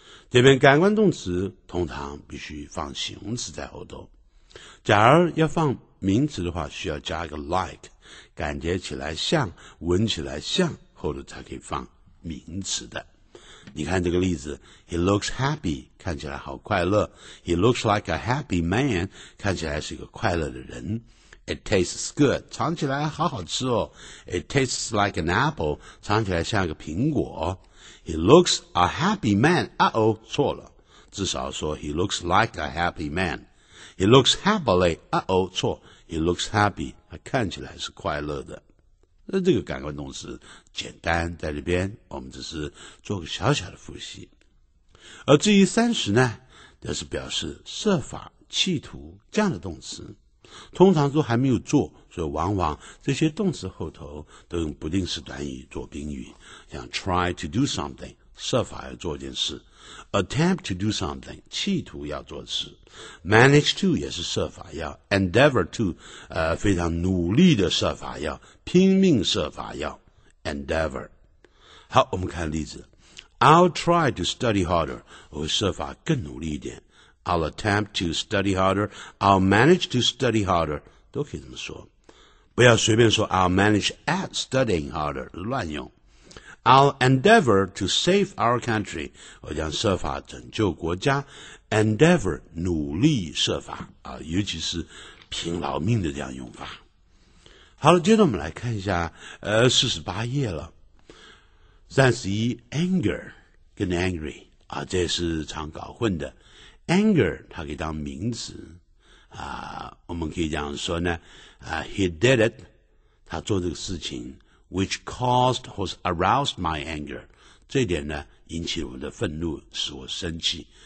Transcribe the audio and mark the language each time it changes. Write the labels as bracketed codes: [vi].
[zh] 这边感官动词通常必须放形容词在后头。假如要放名词的话，需要加一个 like， 感觉起来像，闻起来像，后头才可以放名词的。你看这个例子 ， [en] He looks happy， [zh] 看起来好快乐。 [en] He looks like a happy man， [zh] 看起来是一个快乐的人。 [en] It tastes good， [zh] 尝起来好好吃哦。 [en] It tastes like an apple， [zh] 尝起来像一个苹果。 [en] He looks a happy man， [zh] 错了，至少说 [en] He looks like a happy man。 He looks happily, 错 He looks happy, [zh] 他看起来是快乐的。那这个感官动词简单，在这边我们只是做个小小的复习。而至于三十呢，这是表示设法、企图这样的动词，通常都还没有做，所以往往这些动词后头都用不定式短语做宾语，像 [en] try to do something， [zh] 设法要做一件事 ， [en] attempt to do something， [zh] 企图要做事 ，manage to 也是设法要 ，endeavor to， 非常努力的设法要，拼命设法要 ，endeavor。 [en] 好，我们看例子 ，I'll try to study harder， [zh] 我会设法更努力一点 [en] ，I'll attempt to study harder，I'll manage to study harder， [zh] 都可以这么说，不要随便说 [en] I'll manage at studying harder， 乱用。 I'll endeavor to save our country. [zh] 我将设法拯救国家。 Endeavor, 努力设法啊，尤其是拼老命的这样用法。好了，接着我们来看一下，48页了。31 anger 跟 angry 啊，这也是常搞混的。 Anger 它可以当名词啊，我们可以这样说呢， [en] He did it. [zh] 他做这个事情。 [en] Which caused or aroused my anger. [zh] 这点呢引起我的愤怒使我生气。